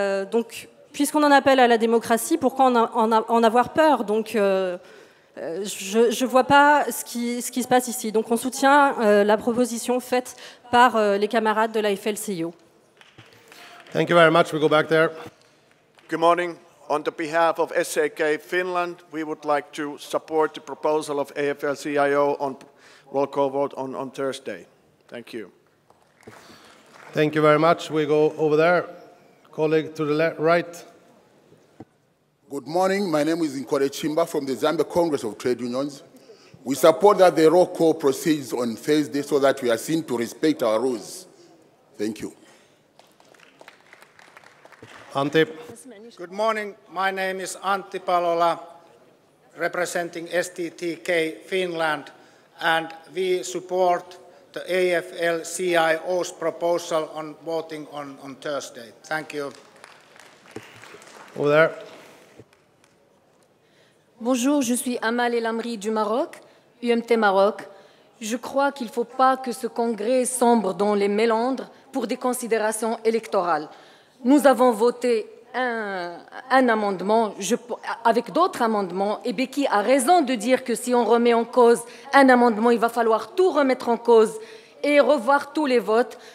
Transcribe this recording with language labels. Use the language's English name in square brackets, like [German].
[French] Donc, puisqu'on en appelle à la démocratie, pourquoi en avoir peur ? Donc, je ne vois pas ce qui se passe ici. Donc, on soutient la proposition faite par les camarades de la FLCIO. [English] Thank you very much. We go back there. Good morning. On the behalf of SAK Finland, we would like to support the proposal of AFL-CIO on roll call vote on Thursday. Thank you. Thank you very much. We go over there. Colleague to the right. Good morning. My name is Nkore Chimba from the Zambia Congress of Trade Unions. We support that the roll call proceeds on Thursday so that we are seen to respect our rules. Thank you. Antti. Good morning. My name is Antti Palola, representing STTK Finland, and we support the AFL-CIO's proposal on voting on Thursday. Thank you. Over there. [French] Bonjour, je suis Amal El Amri du Maroc, UMT Maroc. Je crois qu'il ne faut pas que ce congrès sombre dans les méandres pour des considérations électorales. Nous avons voté un amendement avec d'autres amendements, et Becky a raison de dire que si on remet en cause un amendement, il va falloir tout remettre en cause et revoir tous les votes.